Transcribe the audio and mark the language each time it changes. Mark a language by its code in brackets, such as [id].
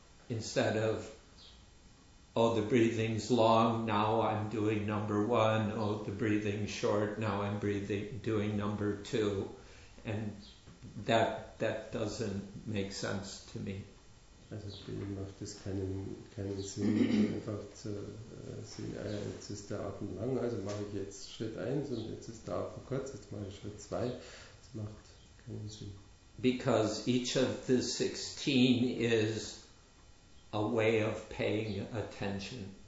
[en] Instead of, oh, the breathing's long, now I'm doing number one. Oh, the breathing's short, now I'm doing number two. And that doesn't make sense to me. [de] Also macht es keinen Sinn, einfach zu sehen, jetzt ist der Atem lang, also mache ich jetzt Schritt 1 und jetzt ist der Atem kurz, jetzt mache ich Schritt 2. Das macht keinen Sinn. [en] Because each of the 16 is a way of paying attention.